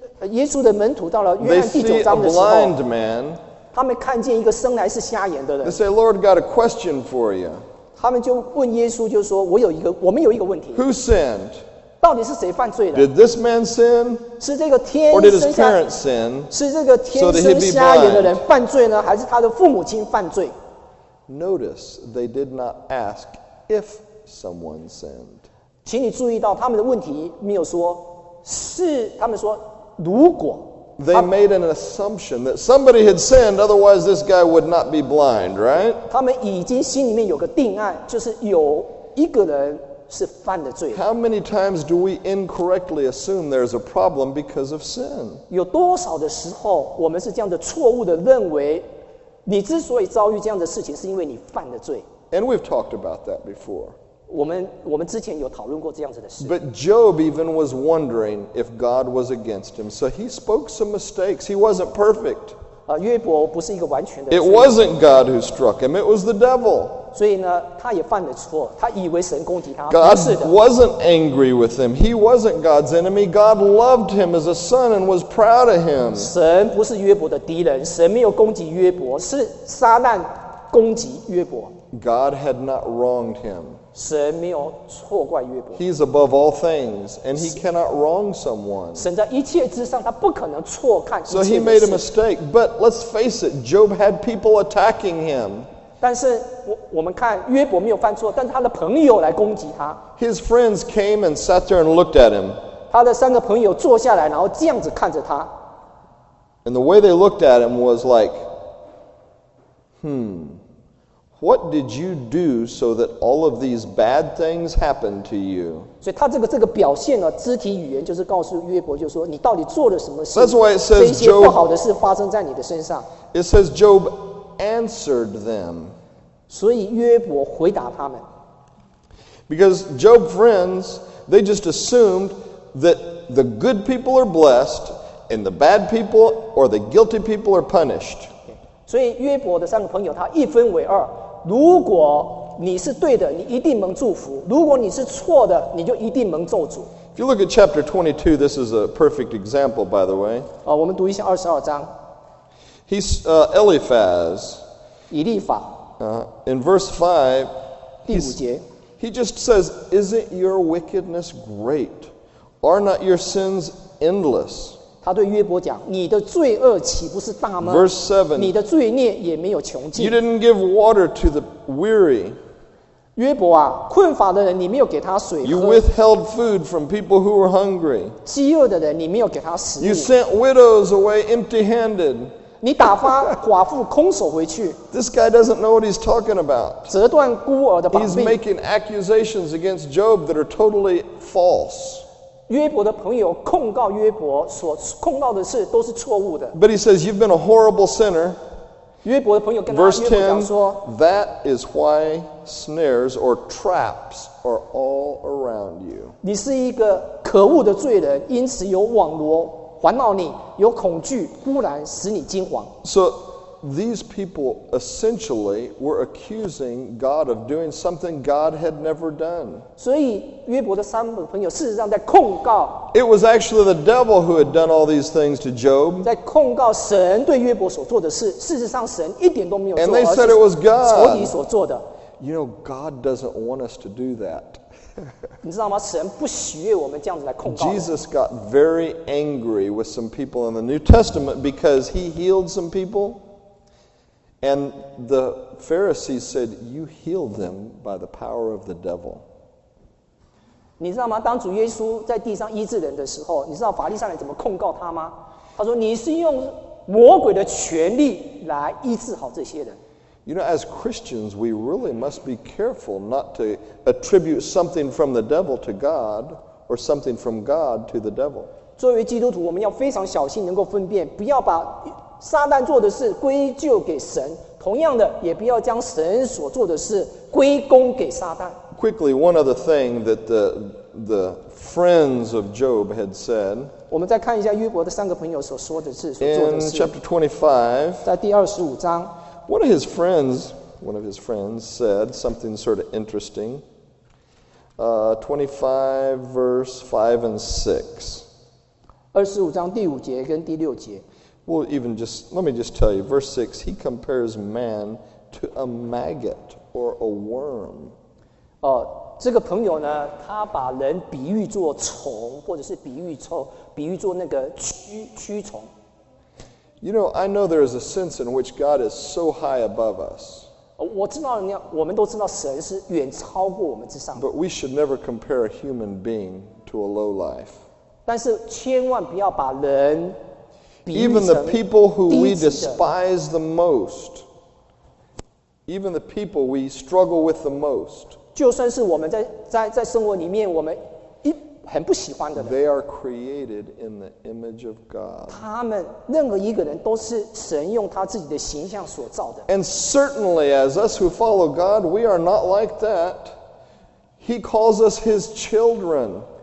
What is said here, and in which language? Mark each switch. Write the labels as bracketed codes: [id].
[zh] 耶稣的门徒到了约翰第九章的时候 [en] they see a blind man. [zh] 他们看见一个生来是瞎眼的人。 [en] They say, Lord, got a question for you. [zh] 他们就问耶稣，就说我们有一个问题。 [en] Who sinned? [zh] 到底是谁犯罪的？ [en] Did this man sin? [zh] 是这个天生瞎眼？ [en] Or did his parents sin? [zh] 是这个天生瞎眼的人犯罪呢，还是他的父母亲犯罪？ [en] Notice they did not ask if someone sinned. [zh] 请你注意到他们的问题没有说是，他们说如果。 [en] They made an assumption that somebody had sinned, otherwise this guy would not be blind, right? [zh] 他们已经心里面有个定案，就是有一个人是犯了罪。 [en] How many times do we incorrectly assume there's a problem because of sin? [zh] 有多少的时候我们是这样的错误的认为，你之所以遭遇这样的事情，是因为你犯了罪。 [en] And we've talked about that before. [zh] 我们之前有讨论过这样子的事。 [en] But Job even was wondering if God was against him. So he spoke some mistakes. He wasn't perfect. [zh] 约伯不是一个完全的。 [en] It wasn't God who struck him. It was the devil. [zh] 所以呢，他也犯了错，他以为神攻击他。 [en] God wasn't angry with him. He wasn't God's enemy. God loved him as a son and was proud of him. [zh] 神不是约伯的敌人，神没有攻击约伯，是撒旦攻击约伯。 [en] God had not wronged him. [zh] 神没有错怪约伯。 [en] He's above all things, and he cannot wrong someone. [zh] 神在一切之上，他不可能错看一切的事。 [en] So he made a mistake. But let's face it, Job had people attacking him. [zh] 但是我们看约伯没有犯错，但是他的朋友来攻击他。 [en] His friends came and sat there and looked at him. [zh] 他的三个朋友坐下来，然后这样子看着他。 [en] And the way they looked at him was like, What did you do so that all of these bad things happened to you? [zh] 所以他这个表现呢，肢体语言就是告诉约伯，就是说你到底做了什么事。 [en] That's why it says Job. [zh] 这些不好的事发生在你的身上。 [en] It says Job answered them. [zh] 所以约伯回答他们。 [en] Because Job's friends, they just assumed that the good people are blessed and the bad people or the guilty people are punished. [zh] 所以约伯的三个朋友他一分为二，如果你是对的，你一定蒙祝福；如果你是错的，你就一定蒙咒诅。 [en] If you look at chapter 22, this is a perfect example, by the way. [zh] 我们读一下二十二章。 [en] He's Eliphaz. [zh] 以利法。 [en] In verse 5, [zh] 第五节 [en] he just says, "Isn't your wickedness great? Are not your sins endless?" [zh] 他对约伯讲，你的罪恶岂不是大吗？ [en] Verse 7, [zh] 你的罪孽也没有穷尽。 [en] You didn't give water to the weary. [zh] 约伯啊，困乏的人你没有给他水喝。 [en] You withheld food from people who were hungry. [zh] 饥饿的人你没有给他食物。 [en] You sent widows away empty-handed. [zh] 你打发寡妇空手回去。 [en] This guy doesn't know what he's talking about. [zh] 折断孤儿的膀臂。 [en] He's making accusations against Job that are totally false. [zh] 约伯的朋友控告约伯，所控告的事都是错误的。 [en] But he says you've been a horrible sinner. [zh] 约伯的朋友跟他约伯讲说 [en] Verse 10, that is why snares or traps are all around you. [zh] 你是一个可恶的罪人，因此有网罗环绕你，有恐惧忽然使你惊惶。 [en] So these people essentially were accusing God of doing something God had never done. [zh] 所以约伯的三个朋友事实上在控告。 [en] It was actually the devil who had done all these things to Job. [zh] 在控告神对约伯所做的事，事实上神一点都没有做。 [en] And they said it was God. [zh] 仇敌所做的。 [en] You know, God doesn't want us to do that. [zh] 你知道吗？神不喜悦我们这样子来控告。 [en] Jesus got very angry with some people in the New Testament because he healed some people. And the Pharisees said, "You healed them by the power of the devil." [zh] 你知道吗？当主耶稣在地上医治人的时候，你知道法利赛人怎么控告他吗？他说：“你是用魔鬼的权力来医治好这些人。” [en] You know, as Christians, we really must be careful not to attribute something from the devil to God or something from God to the devil. [zh] 作为基督徒，我们要非常小心，能够分辨，不要把。撒旦做的事归咎给神，同样的，也不要将神所做的事归功给撒旦。 [en] Quickly, one other thing that the friends of Job had said. [zh] 我们再看一下约伯的三个朋友所说的事，所做的事。 [en] In chapter 25, [zh] 在第二十五章 [en] one of his friends said something sort of interesting. 25 verse 5 and 6. [zh] 二十五章第五节跟第六节。 [en] Well, even just, let me just tell you, verse 6, he compares man to a maggot or a worm. [zh] 这个朋友呢，他把人比喻作虫，或者是比喻臭，比喻作那个蛆虫。 [en] You know, I know there is a sense in which God is so high above us. [zh] 我知道人家，我们都知道神是远超过我们之上。 [en] But we should never compare a human being to a low life. [zh] 但是千万不要把人 [en] Even the people who we despise the most, even the people we struggle with the most, [zh] 就算是我们在生活里面我们一很不喜欢的人， [en] they are created in the image of God. [zh] 他们任何一个人都是神用他自己的形象所造的。 [en] And certainly, as us who follow God, we are not like that. He calls us His children.